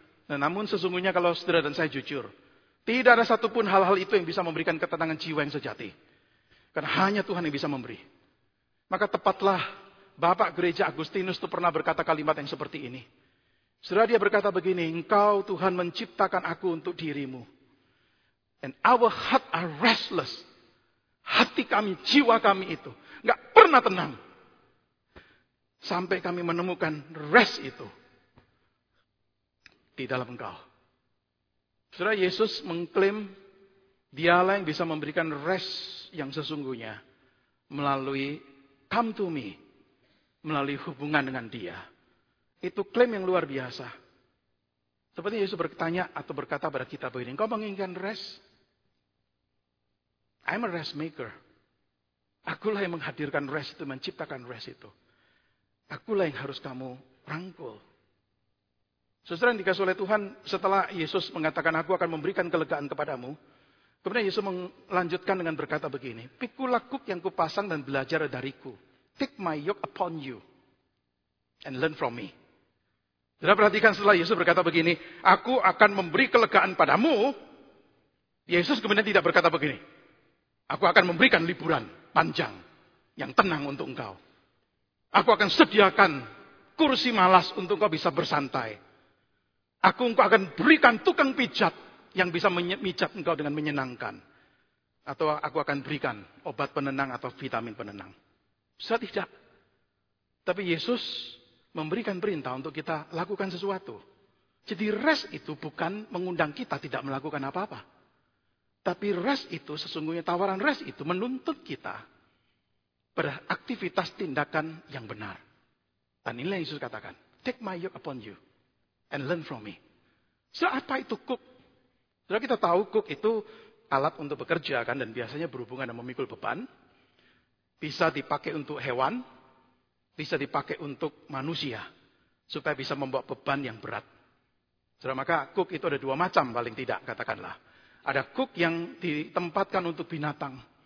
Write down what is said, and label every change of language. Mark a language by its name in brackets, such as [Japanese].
[Indonesian] Nah, namun sesungguhnya kalau saudara dan saya jujur, tidak ada satupun hal-hal itu yang bisa memberikan ketenangan jiwa yang sejati. Karena hanya Tuhan yang bisa memberi. Maka tepatlah Bapak gereja Agustinus itu pernah berkata kalimat yang seperti ini. Setelah dia berkata begini, Engkau Tuhan menciptakan aku untuk dirimu. [English] And our heart are restless. [Indonesian] Hati kami, jiwa kami itu. Gak pernah tenang. Sampai kami menemukan rest itu. Di dalam Engkau. Setelah Yesus mengklaim, Dialah yang bisa memberikan rest yang sesungguhnya. Melalui [English] come to me. [Indonesian] Melalui hubungan dengan dia. Itu klaim yang luar biasa. Seperti Yesus bertanya atau berkata pada kita begini. Engkau menginginkan rest? [English] I'm a rest maker. [Indonesian] Akulah yang menghadirkan rest itu, menciptakan rest itu. Akulah yang harus kamu rangkul. Saudara yang dikasih oleh Tuhan, setelah Yesus mengatakan aku akan memberikan kelegaan kepadamu. Kemudian Yesus melanjutkan dengan berkata begini. Pikulah kuk yang kupasang dan belajar dariku. [English] Take my yoke upon you and learn from me. [Indonesian] Sudah perhatikan setelah Yesus berkata begini, Aku akan memberi kelegaan padamu. Yesus kemudian tidak berkata begini, Aku akan memberikan liburan panjang yang tenang untuk engkau. Aku akan sediakan kursi malas untuk engkau bisa bersantai. Engkau akan berikan tukang pijat yang bisa memijat engkau dengan menyenangkan. Atau aku akan berikan obat penenang atau vitamin penenang. Sudah tidak. Tapi Yesus memberikan perintah untuk kita lakukan sesuatu. Jadi rest itu bukan mengundang kita tidak melakukan apa-apa. Tapi rest itu sesungguhnya tawaran rest itu menuntut kita pada aktivitas tindakan yang benar. Dan inilah yang Yesus katakan. [English] Take my yoke upon you and learn from me. [Indonesian] So apa itu cook? Sudah kita tahu cook itu alat untuk bekerja kan dan biasanya berhubungan dengan memikul beban. Bisa dipakai untuk hewan, bisa dipakai untuk manusia supaya bisa membawa beban yang berat. Sudah maka cook itu ada dua macam paling tidak katakanlah. Ada cook yang ditempatkan untuk binatang.